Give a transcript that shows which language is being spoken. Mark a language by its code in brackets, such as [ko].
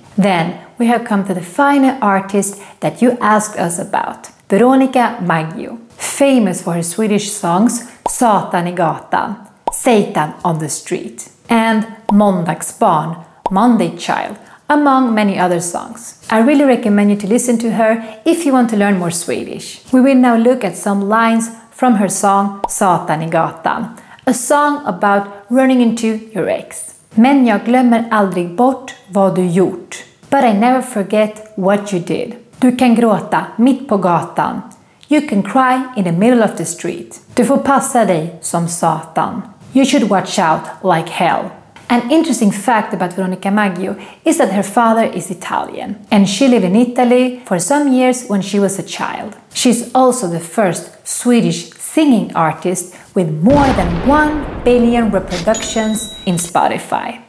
[en] Then, we have come to the final artist that you asked us about, Veronica Maggio, famous for her Swedish songs Satan I gatan, Satan on the street, and Måndagsbarn, Monday Child, among many other songs. I really recommend you to listen to her if you want to learn more Swedish. We will now look at some lines from her song Satan I gatan, a song about running into your ex. [sv] Men jag glömmer aldrig bort vad du gjort. [en] But I never forget what you did. [sv] Du kan gråta mitt på gatan. [en] You can cry in the middle of the street. [sv] Du får passa dig som satan. [en] You should watch out like hell. An interesting fact about Veronica Maggio is that her father is Italian and she lived in Italy for some years when she was a child. She's also the first Swedish singing artist with more than 1 billion reproductions in Spotify.